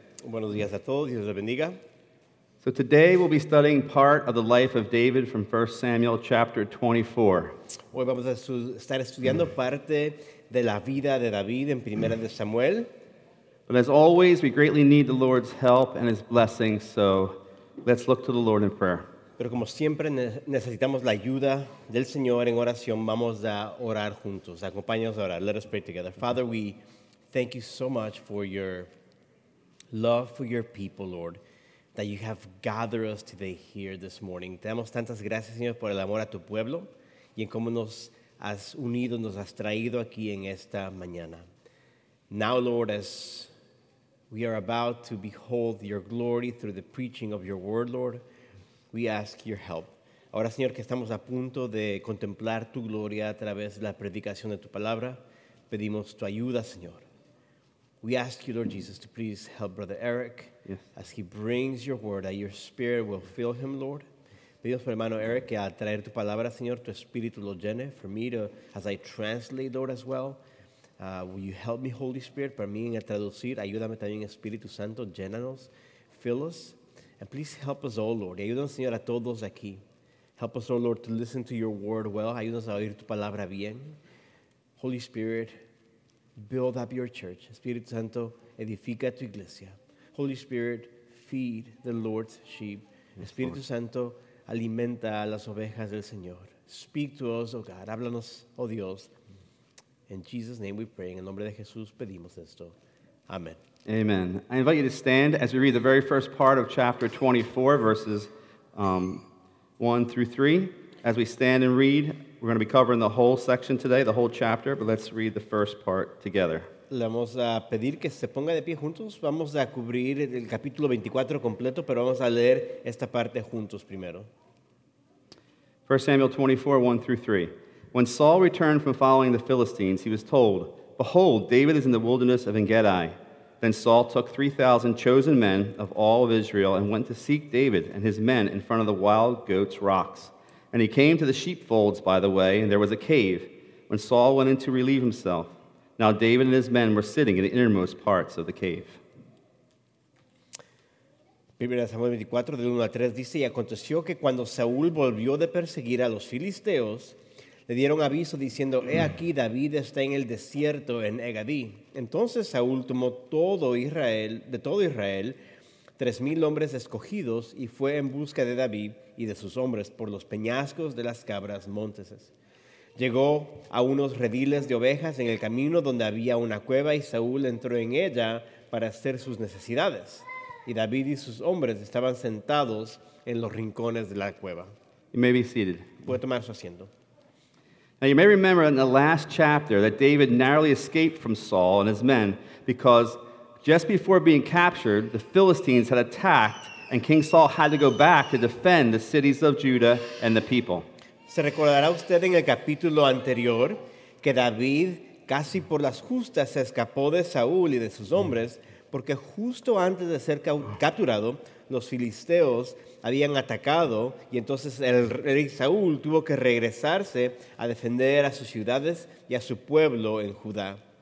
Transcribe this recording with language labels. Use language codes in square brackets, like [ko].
[es] Buenos días a todos, Dios les bendiga. [en] So today we'll be studying part of the life of David from 1 Samuel chapter 24. [es] Hoy vamos a estar estudiando parte de la vida de David en Primera de Samuel. [en] But as always, we greatly need the Lord's help and his blessing, so let's look to the Lord in prayer. [es] Pero como siempre necesitamos la ayuda del Señor en oración, vamos a orar juntos. Acompáñanos a orar. [en] Let us pray together. Father, we thank you so much for your love for your people, Lord, that you have gathered us today here this morning. [es] Te damos tantas gracias, Señor, por el amor a tu pueblo y en cómo nos has unido, nos has traído aquí en esta mañana. [en] Now, Lord, as we are about to behold your glory through the preaching of your word, Lord, we ask your help. [es] Ahora, Señor, que estamos a punto de contemplar tu gloria a través de la predicación de tu palabra, pedimos tu ayuda, Señor. [en] We ask you, Lord Jesus, to please help Brother Eric yes. as he brings your word, that your spirit will fill him, Lord. [es] Pedimos por hermano Eric que al traer tu palabra, Señor, tu espíritu lo llene. [en] For me, to, as I translate, Lord, as well, will you help me, Holy Spirit, [es] para mí en el traducir, ayúdame también, Espíritu Santo, llénanos, [en] fill us. And please help us all, Lord. [es] Ayúdanos, Señor, a todos aquí. [en] Help us, oh Lord, to listen to your word well. [es] Ayúdanos a oír tu palabra bien. [en] Holy Spirit, build up your church. [es] Espíritu Santo, edifica tu iglesia. [en] Holy Spirit, feed the Lord's sheep. Yes, Espíritu Lord. [es] Santo, alimenta a las ovejas del Señor. [en] Speak to us, oh God. [es] Háblanos, oh Dios. [en] In Jesus' name we pray. [es] En el nombre de Jesús pedimos esto. Amen. Amen. [en] I invite you to stand as we read the very first part of chapter 24, verses 1 through 3. As we stand and read, we're going to be covering the whole section today, the whole chapter, but let's read the first part together. [es] Le vamos a pedir que se ponga de pie juntos. Vamos a cubrir el capítulo 24 completo, pero vamos a leer esta parte juntos primero. [en] 1 Samuel 24, 1 through 3. When Saul returned from following the Philistines, he was told, "Behold, David is in the wilderness of En-Gedi." Then Saul took 3,000 chosen men of all of Israel and went to seek David and his men in front of the wild goats' rocks. And he came to the sheepfolds by the way, and there was a cave, when Saul went in to relieve himself. Now David and his men were sitting in the innermost parts of the cave. [es] 1 Samuel 24, del 1 al 3, dice, Y aconteció que cuando Saúl volvió de perseguir a los filisteos, le dieron aviso diciendo, He aquí, David está en el desierto en Egadí. Entonces Saúl tomó todo Israel, de todo Israel, 3,000 hombres escogidos y fue en busca de David y de sus hombres por los peñascos de las cabras monteses. Llegó a unos rediles de ovejas en el camino donde había una cueva y Saúl entró en ella para hacer sus necesidades. Y David y sus hombres estaban sentados en los rincones de la cueva. [en] You may be seated. [es] Puede tomar su asiento. [en] Now you may remember in the last chapter that David narrowly escaped from Saul and his men because just before being captured, the Philistines had attacked and King Saul had to go back to defend the cities of Judah and the people. [es] Se recordará usted en el capítulo anterior que David casi por las justas se escapó de Saúl y de sus hombres porque justo antes de ser capturado, los filisteos habían atacado y entonces el rey Saúl tuvo que regresarse a defender a sus ciudades y a su pueblo en Judá.